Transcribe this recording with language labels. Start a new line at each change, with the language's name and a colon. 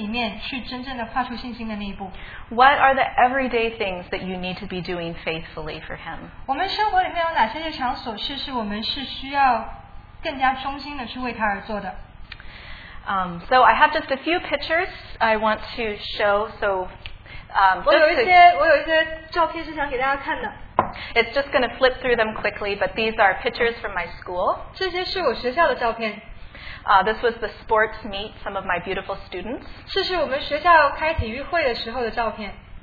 Chinese: 神希望我们在生命的哪一个部分里面去真正的跨出信心的那一步。
English: What are the everyday things that you need to be doing faithfully for Him?
Chinese: 我们生活里面有哪些日常琐事是我们是需要更加忠心的去为他而做的。
English: So I have just a few pictures I want to show. So,
Chinese: 我有一些照片是想给大家看的。
English: It's just going to flip through them quickly, but these are pictures from my school.
Chinese: 这些是我学校的照片。
English: This was the sports meet, some of my beautiful students.
Chinese: 这是我们学校开体育会的时候的照片。